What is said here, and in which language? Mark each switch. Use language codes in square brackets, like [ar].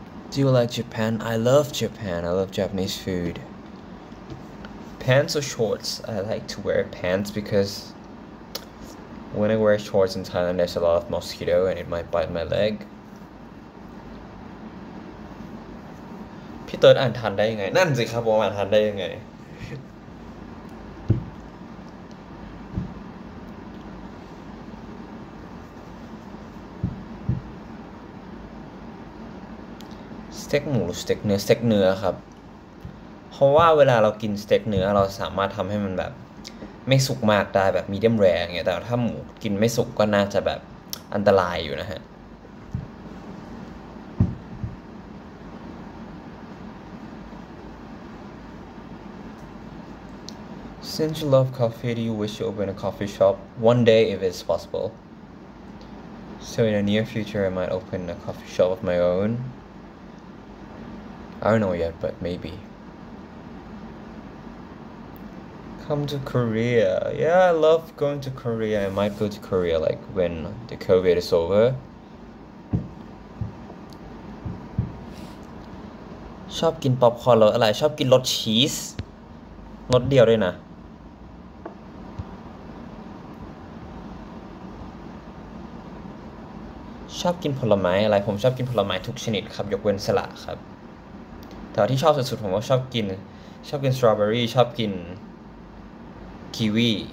[en] Do you like Japan? I love Japan. I love Japanese food. Pants or shorts? I like to wear pants because when I wear shorts in Thailand, there's a lot of mosquito and it might bite my leg. [th] พี่เติร์ดอ่านทันได้ยังไงนั่นสิครับผมอ่านทันได้ยังไงสเต็กหมูหรือสเต็กเนื้อสเต็กเนื้อครับ เพราะว่าเวลาเรากินสเต็กเนื้อเราสามารถทำให้มันแบบไม่สุกมากได้แบบมีเดียมแรร์เงี้ยแต่ถ้าหมูกินไม่สุกก็น่าจะแบบอันตรายอยู่นะฮะ [en] Since you love coffee, do you wish to open a coffee shop one day if it's possible? So in the near future, I might open a coffee shop of my own. I don't know yet, but maybe. Come to Korea. Yeah, I love going to Korea. I might go to Korea like when the COVID is over. [th] ชอบกินป๊อปคอร์นรสอะไรชอบกินรสชีสรสเดียวด้วยนะชอบกินผลไม้อะไรผมชอบกินผลไม้ทุกชนิดครับยกเว้นสละครับแต่ที่ชอบสุดๆผมก็ชอบกินสตรอเบอรี่ชอบกินคิวี